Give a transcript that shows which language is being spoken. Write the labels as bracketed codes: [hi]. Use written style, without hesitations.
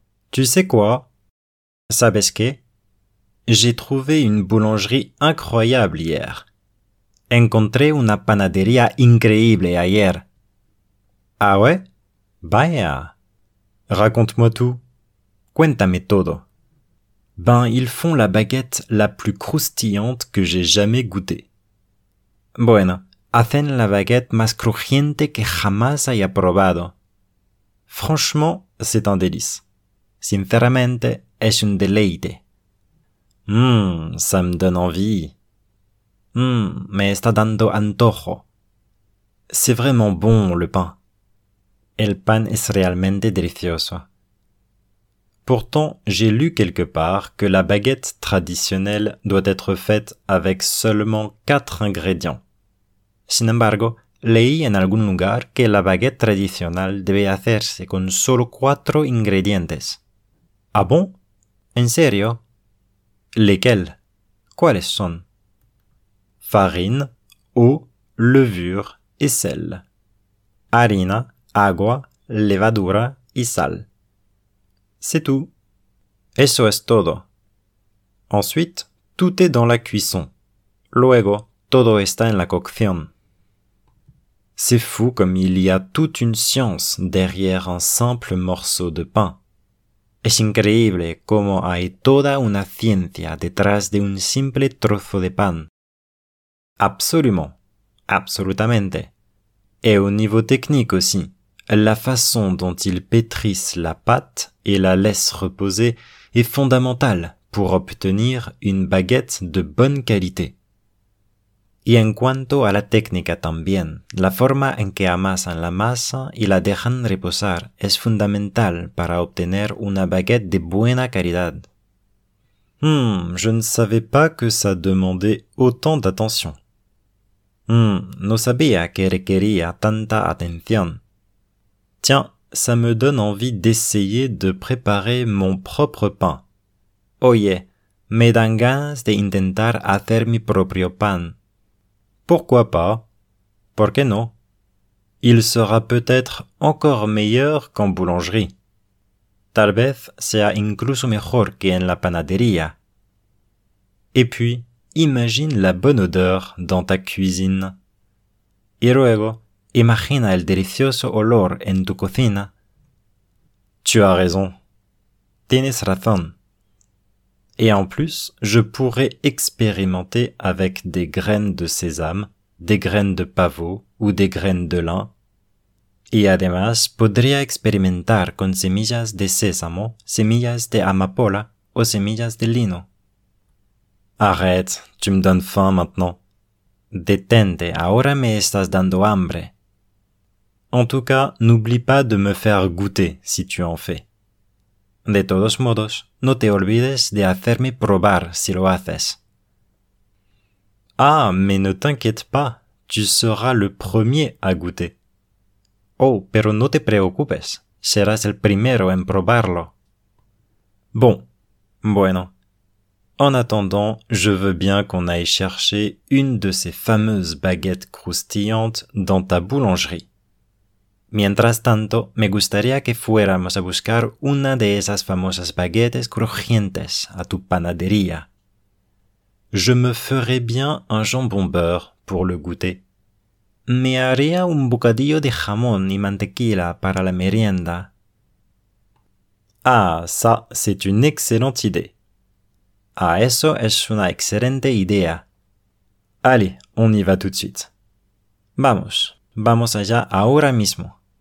[fr] Tu sais quoi? [es] Sabes qué? [fr] J'ai trouvé une boulangerie incroyable hier. [es] Encontré una panadería increíble ayer. [fr] Ah ouais? [es] Vaya. Raconte-moi tout. Cuéntame todo. [fr] Ben, ils font la baguette la plus croustillante que j'ai jamais goûtée. [es] Bueno, hacen la baguette más crujiente que jamás haya probado. [fr] Franchement, c'est un délice. [es] Sinceramente, es un deleite. [fr] Ça me donne envie. [es] Me está dando antojo. [fr] C'est vraiment bon, le pain. [es] El pan es realmente delicioso. [fr] Pourtant, j'ai lu quelque part que la baguette traditionnelle doit être faite avec seulement 4 ingrédients. [es] Sin embargo, leí en algún lugar que la baguette tradicional debe hacerse con solo 4 ingredientes. [fr] Ah bon? [es] En serio? [fr] Lesquels? [es] ¿Cuáles son? [fr] Farine, eau, levure et sel. [es] Harina, agua, levadura y sal. [fr] C'est tout. [es] Eso es todo. [fr] Ensuite, tout est dans la cuisson. [es] Luego, todo está en la cocción. [fr] C'est fou comme il y a toute une science derrière un simple morceau de pain. [es] Es increíble como hay toda una ciencia detrás de un simple trozo de pan. [fr] Absolument. [es] Absolutamente. [fr] Et au niveau technique aussi. La façon dont ils pétrissent la pâte et la laissent reposer est fondamentale pour obtenir une baguette de bonne qualité. [es] Y en cuanto a la técnica también, la forma en que amasan la masa y la dejan reposar es fundamental para obtener una baguette de buena calidad. [fr] Je ne savais pas que ça demandait autant d'attention. [es] No sabía que requería tanta atención. [fr] Tiens, ça me donne envie d'essayer de préparer mon propre pain. [es] Oye, me dan ganas de intentar hacer mi propio pan. [fr] Pourquoi pas? [es] ¿Por qué no? [fr] Il sera peut-être encore meilleur qu'en boulangerie. [es] Tal vez sea incluso mejor que en la panadería. [fr] Et puis, imagine la bonne odeur dans ta cuisine. [es] Y luego, imagina el delicioso olor en tu cocina. [fr] Tu as raison. [es] Tienes razón. [fr] Et en plus, je pourrais expérimenter avec des graines de sésame, des graines de pavot ou des graines de lin. [es] Y además, podría experimentar con semillas de sésamo, semillas de amapola o semillas de lino. [fr] Arrête, tu me donnes faim maintenant. [es] Detente, ahora me estás dando hambre. [fr] En tout cas, n'oublie pas de me faire goûter si tu en fais. [es] De todos modos, no te olvides de hacerme probar si lo haces. [fr] Ah, mais ne t'inquiète pas, tu seras le premier à goûter. [es] Oh, pero no te preocupes, serás el primero en probarlo. [fr] Bon, bueno. En attendant, je veux bien qu'on aille chercher une de ces fameuses baguettes croustillantes dans ta boulangerie. [es] Mientras tanto, me gustaría que fuéramos a buscar una de esas famosas baguettes crujientes a tu panadería. [fr] Je me ferais bien un jambon beurre pour le goûter. [es] Me haría un bocadillo de jamón y mantequilla para la merienda. [fr] Ah, ça, c'est une excellente idée. [es] Ah, eso es una excelente idea. [fr] Allez, on y va tout de suite. [es] Vamos, vamos allá ahora mismo.